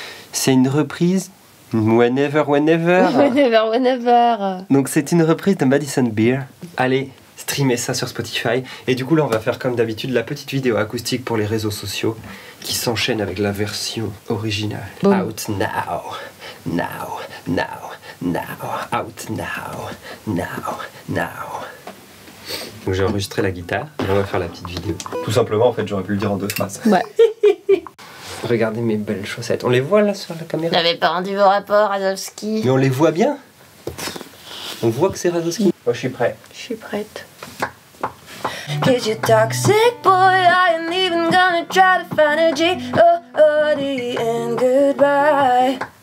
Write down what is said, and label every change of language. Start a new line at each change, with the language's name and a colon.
French: C'est une reprise...
English: Whenever, whenever. Whenever, whenever.
French: Donc, c'est une reprise de Madison Beer. Allez... streamer ça sur Spotify. Et du coup, là, on va faire comme d'habitude la petite vidéo acoustique pour les réseaux sociaux qui s'enchaîne avec la version originale. Bon.
English: Out now, now, now, now, out now, now, now.
French: Donc, j'ai enregistré la guitare et on va faire la petite vidéo. Tout simplement, en fait, j'aurais pu le dire en deux phrases. Ouais. Regardez mes belles chaussettes. On les voit là sur la caméra. J'avais pas rendu vos rapports, Razovski. Mais on les voit bien. On voit que c'est Razovski. Oui. Oh, je suis prêt. Je suis prête.
English: Cause you're toxic, boy. I ain't even gonna try to find a G. Oh, oh, the end. Goodbye.